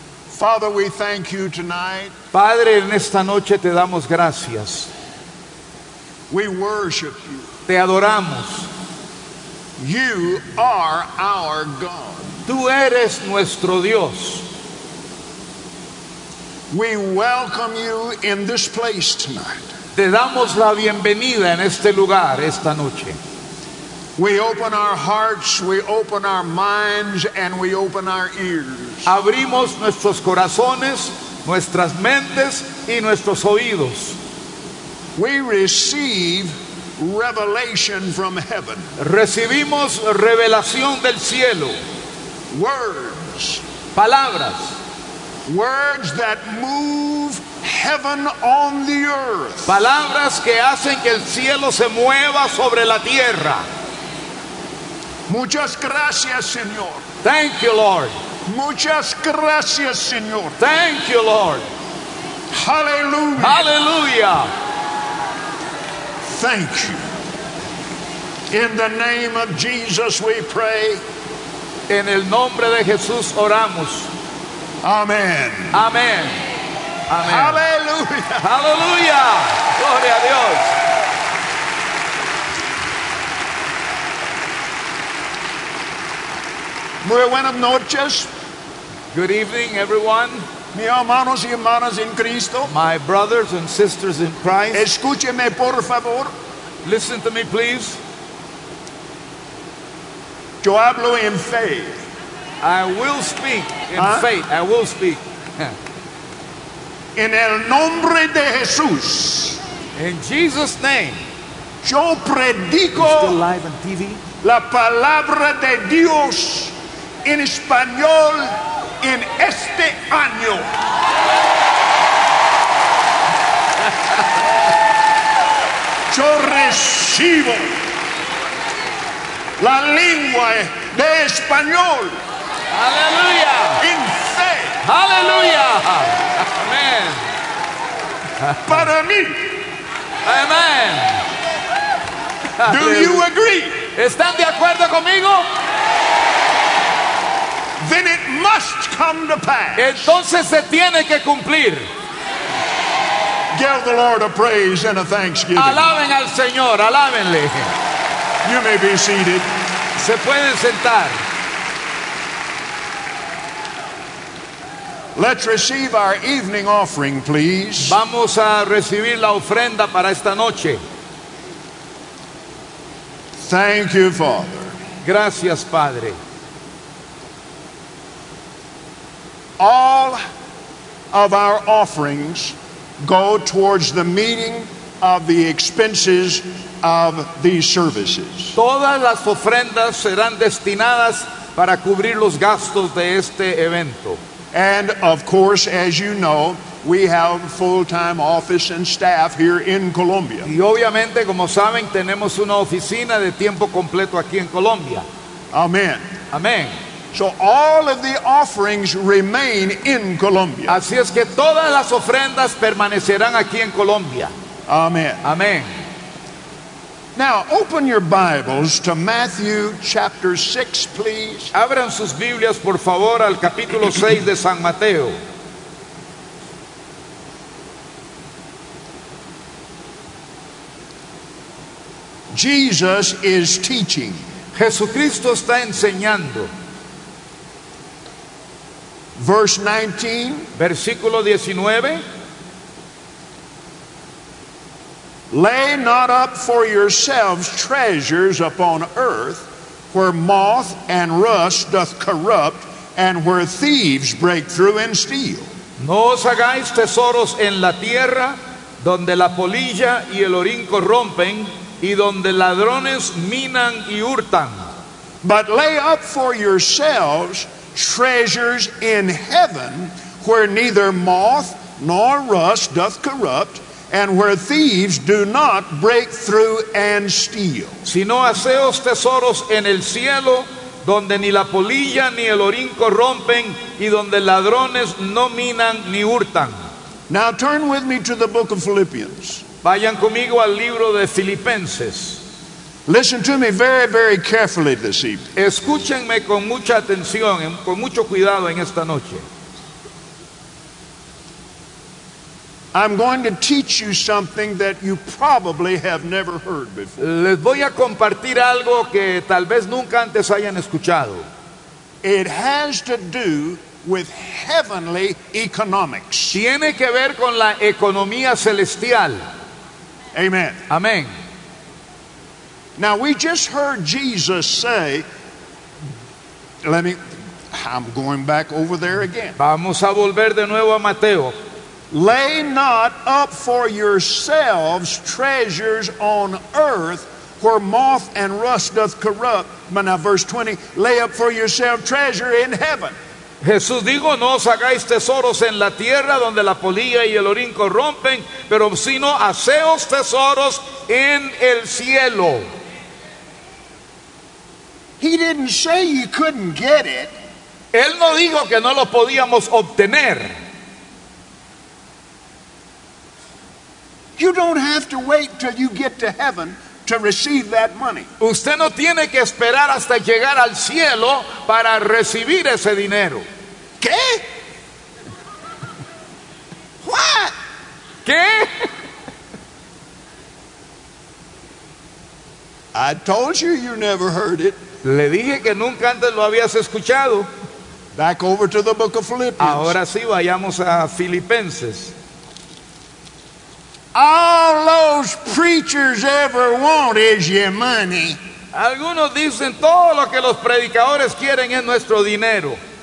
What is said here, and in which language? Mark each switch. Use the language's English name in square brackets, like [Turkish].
[English] Father, we thank you tonight. [Spanish] Padre, en esta noche te damos gracias. [English] We worship you. [Spanish] Te adoramos. [English] You are our God. [Spanish] Tú eres nuestro Dios. [English] We welcome you in this place tonight. [Spanish] Te damos la bienvenida en este lugar esta noche. [English] We open our hearts, we open our minds, and we open our ears. [Spanish] Abrimos nuestros corazones, nuestras mentes y nuestros oídos. [English] We receive revelation from heaven. [Spanish] Recibimos revelación del cielo. [English] Words. [Spanish] Palabras. [English] Words that move heaven on the earth. [Spanish] Palabras que hacen que el cielo se mueva sobre la tierra. Muchas gracias, Señor. [English] Thank you, Lord. [Spanish] Muchas gracias, Señor. [English] Thank you, Lord. Hallelujah. Hallelujah. Thank you. In the name of Jesus we pray. [Spanish] En el nombre de Jesús oramos. [English] Amen. Amen. Amen. Hallelujah. [Spanish] Hallelujah. Gloria a Dios. Muy buenas noches. [English] Good evening, everyone. [Spanish] Mis hermanos y hermanas en Cristo. [English] My brothers and sisters in Christ. [Spanish] Escúcheme, por favor. [English] Listen to me, please. [Spanish] Yo hablo en fe. [English] I will speak in faith. I will speak. [Spanish] En el nombre de Jesús. [English] In Jesus' name. [Spanish] Yo predico. [English] Are you still live on TV? [Spanish] La palabra de Dios. En español, en este año. Yo recibo la lengua de español. Aleluya. En fe. Aleluya. Amén. Para mí. Amén. [English] Do you agree? [Spanish] ¿Están de acuerdo conmigo? [English] Then it must come to pass. [Spanish] Entonces se tiene que cumplir. [English] Give the Lord a praise and a thanksgiving. [Spanish] Alaben al Señor, alábenle. [English] You may be seated. [Spanish] Se pueden sentar. [English] Let's receive our evening offering, please. [Spanish] Vamos a recibir la ofrenda para esta noche. [English] Thank you, Father. [Spanish] Gracias, Padre. [English] All of our offerings go towards the meeting of the expenses of these services. [Spanish] Todas las ofrendas serán destinadas para cubrir los gastos de este evento. [English] And of course, as you know, we have full-time office and staff here in Colombia. [Spanish] Y obviamente, como saben, tenemos una oficina de tiempo completo aquí en Colombia. [English] Amen. Amen. So all of the offerings remain in Colombia. [Spanish] Así es que todas las ofrendas permanecerán aquí en Colombia. [English] Amen. Amen. Now open your Bibles to Matthew chapter 6, please. [Spanish] Abran sus Biblias, por favor, al capítulo 6 de San Mateo. [English] Jesus is teaching. [Spanish] Jesucristo está enseñando. [English] Verse 19, [Spanish] versículo 19. [English] Lay not up for yourselves treasures upon earth, where moth and rust doth corrupt, and where thieves break through and steal. [Spanish] No os hagáis tesoros en la tierra, donde la polilla y el orín corrompen, y donde ladrones minan y hurtan. [English] But lay up for yourselves treasures in heaven, where neither moth nor rust doth corrupt, and where thieves do not break through and steal. [Spanish] Sino haceos tesoros en el cielo, donde ni la polilla ni el orín corrompen, y donde ladrones no minan ni hurtan. [English] Now turn with me to the book of Philippians. [Spanish] Vayan conmigo al libro de Filipenses. [English] Listen to me very, very carefully this evening. [Spanish] Escúchenme con mucha atención, con mucho cuidado en esta noche. [English] I'm going to teach you something that you probably have never heard before. [Spanish] Les voy a compartir algo que tal vez nunca antes hayan escuchado. [English] It has to do with heavenly economics. [Spanish] Tiene que ver con la economía celestial. [English] Amen. [Spanish] Amén. [English] Now we just heard Jesus say, I'm going back over there again. [Spanish] Vamos a volver de nuevo a Mateo. [English] Lay not up for yourselves treasures on earth where moth and rust doth corrupt. But now verse 20, lay up for yourself treasure in heaven. [Spanish] Jesús dijo, no os hagáis tesoros en la tierra donde la polilla y el orín corrompen, pero sino haceos tesoros en el cielo. [English] He didn't say you couldn't get it. [Spanish] Él no dijo que no lo podíamos obtener. [English] You don't have to wait till you get to heaven to receive that money. [Spanish] Usted no tiene que esperar hasta llegar al cielo para recibir ese dinero. ¿Qué? [English] What? [Spanish] ¿Qué? [English] I told you you never heard it. [Spanish] Le dije que nunca antes lo habías escuchado. [English] Back over to the book of Philippians. [Spanish] Ahora sí, vayamos a Filipenses. [English] All those preachers ever want is your money. [Spanish] Algunos dicen todo lo que los predicadores quieren es nuestro dinero.